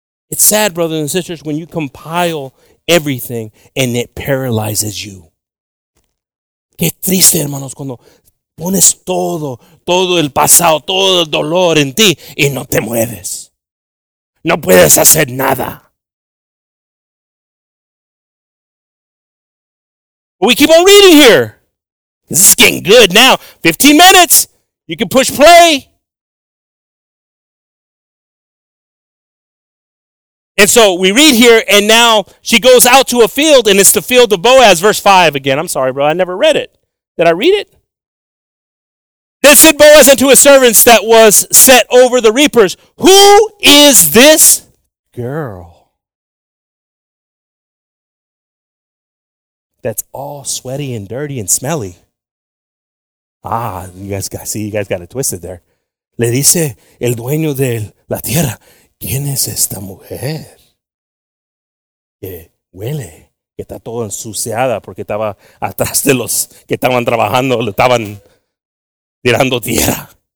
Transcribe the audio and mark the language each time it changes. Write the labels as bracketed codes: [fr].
[en] It's sad, brothers and sisters, when you compile everything and it paralyzes you. [es] Qué triste, hermanos, cuando pones todo el pasado, todo el dolor en ti y no te mueves. No puedes hacer nada. [en] We keep on reading here. This is getting good now. 15 minutes. You can push play. And so we read here, and now she goes out to a field, and it's the field of Boaz. Verse 5 again. I'm sorry, bro. I never read it. Did I read it? Then said Boaz unto his servants that was set over the reapers, who is this girl that's all sweaty and dirty and smelly? Ah, you guys got it twisted there. [es] Le dice el dueño de la tierra, ¿quién es esta mujer que huele, que está toda ensuciada porque estaba atrás de los que estaban trabajando, le estaban tirando tierra?